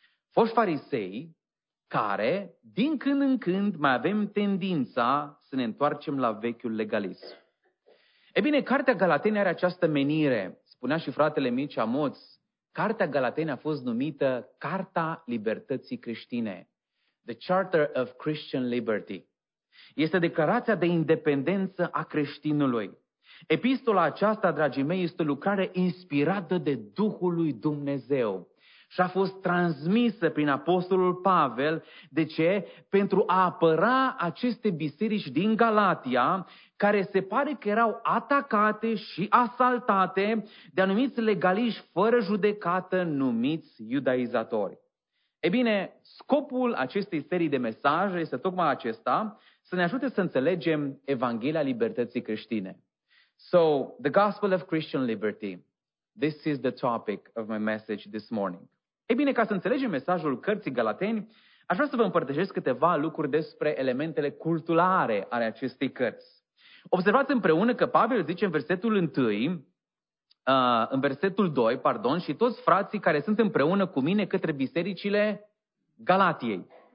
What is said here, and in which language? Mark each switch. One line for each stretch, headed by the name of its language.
Romanian: Foști farisei care, din când în când, mai avem tendința să ne întoarcem la vechiul legalism. E bine, cartea Galateni are această menire. Spunea și fratele Mircea Moț, cartea Galateni a fost numită Carta Libertății Creștine.
English: The Charter of Christian Liberty.
Romanian: Este declarația de independență a creștinului. Epistola aceasta, dragii mei, este o lucrare inspirată de Duhul lui Dumnezeu. Și a fost transmisă prin Apostolul Pavel, de ce? Pentru a apăra aceste biserici din Galatia, care se pare că erau atacate și asaltate de anumiți legaliști fără judecată numiți iudaizatori. E bine, scopul acestei serii de mesaje este tocmai acesta, să ne ajute să înțelegem Evanghelia Libertății Creștine.
English: So, the Gospel of Christian Liberty, this is the topic of my message this morning.
Romanian: E bine, ca să înțelegem mesajul cărții Galateni, aș vrea să vă împărtășesc câteva lucruri despre elementele culturale ale acestei cărți. Observați împreună că Pavel zice în versetul 1, în versetul 2, pardon, și toți frații care sunt împreună cu mine către bisericile Galatiei.